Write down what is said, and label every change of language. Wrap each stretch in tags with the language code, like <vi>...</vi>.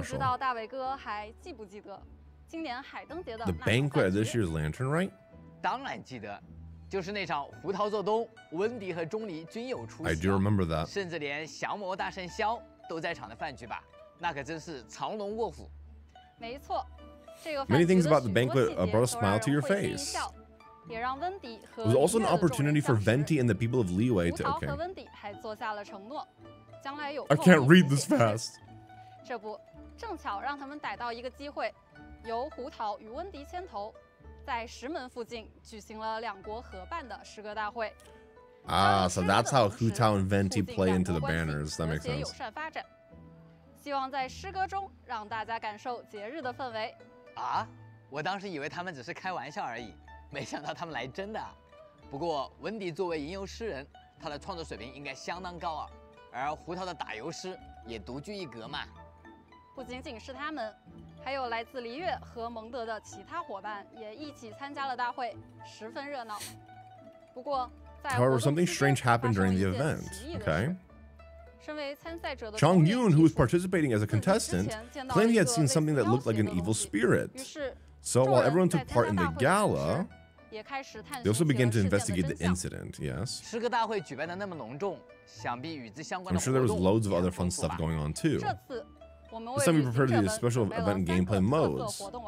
<zh>不知道大伟哥还记不记得今年海灯节的</zh> <en>The banquet this year's lantern, right?</en> <zh>当然记得。就是那场胡桃做东，温迪和钟离均有出席。</zh> <en>I do remember that。</en> <zh>甚至连降魔大圣萧都在场的饭局吧，那可真是藏龙卧虎。没错，这个饭局</zh> <en>Many things about the banquet brought a smile to your face。</en> <zh>也让温迪和</zh> <en>It was also an opportunity for Venti and the people of Liyue to</en> <zh>OK。胡桃和温迪还做下了承诺，将来有</zh> <en>I can't read this fast。</en> <zh>这不，正巧让他们逮到一个机会，由胡桃与温迪牵头。在石门附近举行了两国合办的诗歌大会。</zh> <en>Ah, so that's how Hu Tao and Venti play into the banners. That makes sense.</en> <zh>友善发展，希望在诗歌中让大家感受节日的氛围。啊，我当时以为他们只是开玩笑而已，没想到他们来真的。不过温迪作为吟游诗人，他的创作水平应该相当高啊，而胡桃的打油诗也独具一格嘛。不仅仅是他们。还有来自璃月和蒙德的其他伙伴也一起参加了大会，十分热闹。不过，在</zh> <en>However, something strange happened during the event. Okay.</en> <zh>身为参赛者的</zh> <en>Chang Yun, who was participating as a contestant, claimed he had seen something that looked like an evil spirit. So while everyone took part in the gala, they also began to investigate the incident. Yes.</en> <zh>诗歌大会举办的那么隆重，想必与之相关的</zh> <en>I'm sure there was loads of other fun stuff going on too.</en> <zh>这次</zh> <en>This time we prepared the special event gameplay modes.</en>